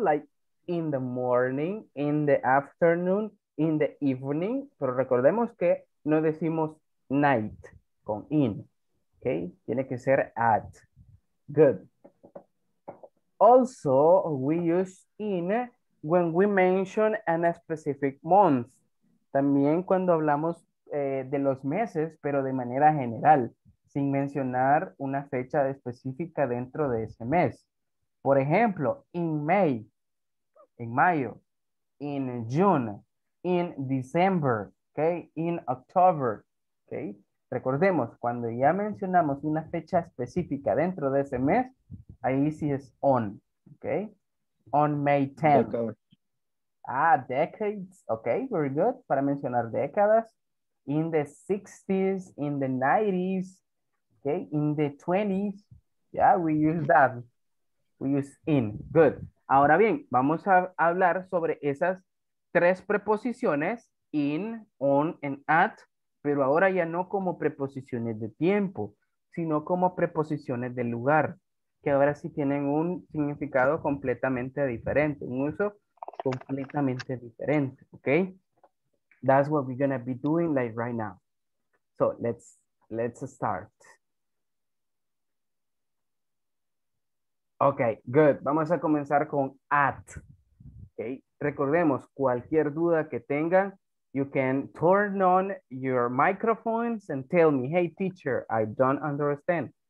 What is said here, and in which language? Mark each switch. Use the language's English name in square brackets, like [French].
[English] Like in the morning, in the afternoon, in the evening. [Spanish] Pero recordemos que no decimos night con in. [English] Okay, [Spanish] tiene que ser at. [English] Good. Also, we use in when we mention a specific month. [Spanish] También cuando hablamos de los meses, pero de manera general, sin mencionar una fecha específica dentro de ese mes. Por ejemplo, [English] in May, [Spanish] en mayo, [English] in June, in December, okay, in October. Okay. [Spanish] Recordemos, cuando ya mencionamos una fecha específica dentro de ese mes, ahí sí es on. Okay. On May 10th. [English] Ah, decades. Okay, very good. [Spanish] Para mencionar décadas. [English] In the 60s, in the 90s, okay, in the 20s. Yeah, we use that. We use in. Good. [Spanish] Ahora bien, vamos a hablar sobre esas tres preposiciones, in, on, and at, pero ahora ya no como preposiciones de tiempo, sino como preposiciones de lugar, que ahora sí tienen un significado completamente diferente, un uso completamente diferente, ¿ok? [English] That's what we're gonna be doing like right now. So let's start. [Spanish] Okay, good. Vamos a comenzar con at. Okay. Recordemos, cualquier duda que tengan, [English] you can turn on your microphones and tell me, hey, teacher, I don't understand.